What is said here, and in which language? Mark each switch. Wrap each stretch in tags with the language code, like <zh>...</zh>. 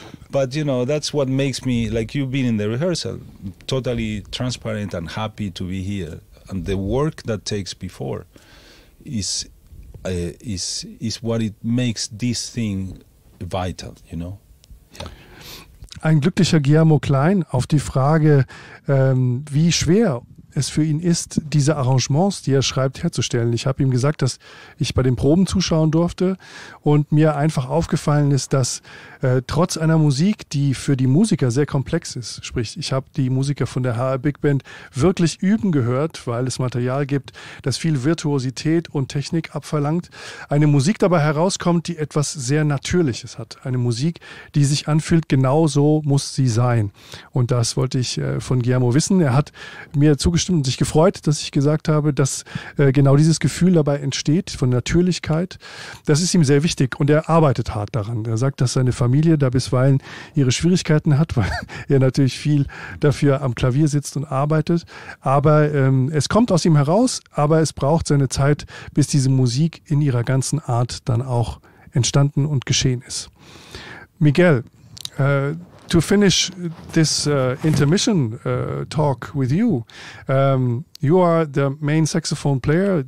<en>But, you know, that's what makes me, like you've been in the rehearsal, totally transparent and happy to be here. And the work that takes before is what it makes this thing vital, you know? Yeah.</en> <de>Ein glücklicher Guillermo Klein auf die Frage, wie schwer es für ihn ist, diese Arrangements, die er schreibt, herzustellen. Ich habe ihm gesagt, dass ich bei den Proben zuschauen durfte und mir einfach aufgefallen ist, dass trotz einer Musik, die für die Musiker sehr komplex ist, sprich ich habe die Musiker von der HR Big Band wirklich üben gehört, weil es Material gibt, das viel Virtuosität und Technik abverlangt, eine Musik dabei herauskommt, die etwas sehr Natürliches hat. Eine Musik, die sich anfühlt, genau so muss sie sein. Und das wollte ich von Guillermo wissen. Er hat mir zugestimmt und sich gefreut, dass ich gesagt habe, dass genau dieses Gefühl dabei entsteht, von Natürlichkeit. Das ist ihm sehr wichtig und er arbeitet hart daran. Er sagt, dass seine Familie da bisweilen ihre Schwierigkeiten hat, weil er natürlich viel dafür am Klavier sitzt und arbeitet. Aber es kommt aus ihm heraus, aber es braucht seine Zeit, bis diese Musik in ihrer ganzen Art dann auch entstanden und geschehen ist.</de> <en>Miguel, to finish this intermission talk with you, you are the main saxophone player.</en>